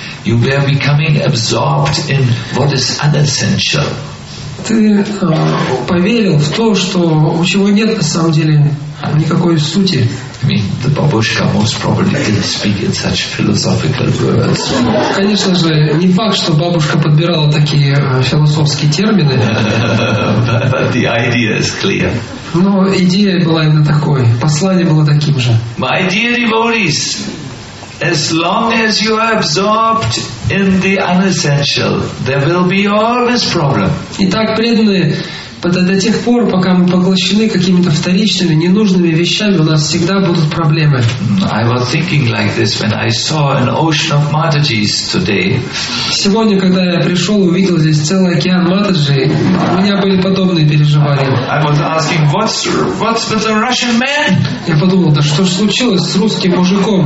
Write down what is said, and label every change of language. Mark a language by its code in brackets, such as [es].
[en] You were becoming absorbed in what is unessential. [ru] Ты поверил в то, что у чего нет на самом деле никакой сути. [en] I mean, the бабушка most probably didn't speak in such philosophical words. [ru] Конечно же, не факт, что бабушка подбирала такие философские термины. [en] But the idea is clear. [ru] Но идея была именно такой. Послание было таким же. [en] My dear devotees, as long as you are absorbed in the unessential, there will be always problem. [ru] Итак, преданные, до тех пор, пока мы поглощены какими-то вторичными, ненужными вещами, у нас всегда будут проблемы. [en] I was thinking like this when I saw an ocean of Matajis today. [ru] Сегодня, когда я пришел и увидел здесь целый океан Матаджи, у меня были подобные переживания. [en] I was asking, what's with the Russian man? [ru] Я подумал, да что ж случилось с русским мужиком?